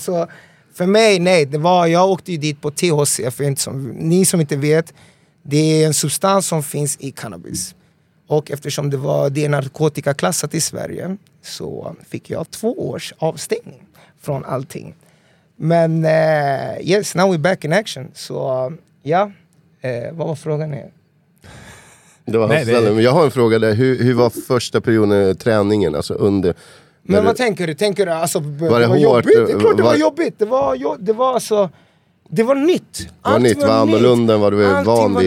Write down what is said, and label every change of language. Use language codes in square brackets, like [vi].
[sv] Så för mig, nej, det var, jag åkte ju dit på THC. För inte som, ni som inte vet, det är en substans som finns i cannabis. Och eftersom det var det narkotikaklassat i Sverige, så fick jag 2 års avstängning från allting. [en] Men yes, now we're back in action. [sv] Så ja, vad var frågan här? Det var jag har en fråga där. Hur var första perioden träningen? Alltså under, men vad du, tänker du? Tänker du alltså, var det var hårt? Jobbigt? Det klart det var jobbigt. Det var alltså... Det var nytt. Allt var nytt. Var annorlunda än vad du är van vid.